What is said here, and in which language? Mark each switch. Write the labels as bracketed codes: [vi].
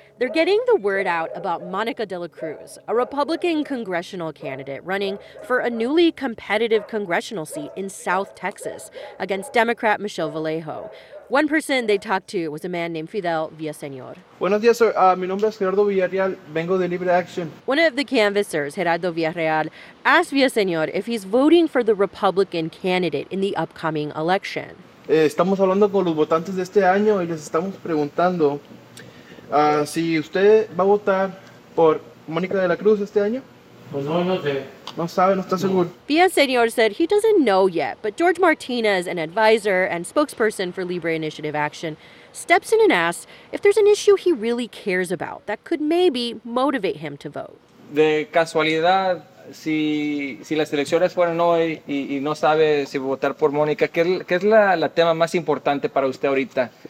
[en] They're getting the word out about Monica de la Cruz, a Republican congressional candidate running for a newly competitive congressional seat in South Texas against Democrat Michelle Vallejo. One person they talked to was a man named Fidel Villaseñor. [es] Buenos días, sir. Mi nombre es Gerardo Villarreal. Vengo de Libre Action. [en] One of the canvassers, Gerardo Villarreal, asked Villaseñor if he's voting for the Republican candidate in the upcoming election. [es] Estamos hablando con los votantes de este año y les estamos preguntando si usted va a votar por Mónica de la Cruz este año. Pues no, no sé. No sabe, no está seguro. [en] Villaseñor said he doesn't know yet, but George Martinez, an advisor and spokesperson for Libre Initiative Action, steps in and asks if there's an issue he really cares about that could maybe motivate him to vote. [es] De casualidad, si las elecciones fueran hoy y no sabe si votar por Mónica, ¿qué es la tema más importante para usted ahorita?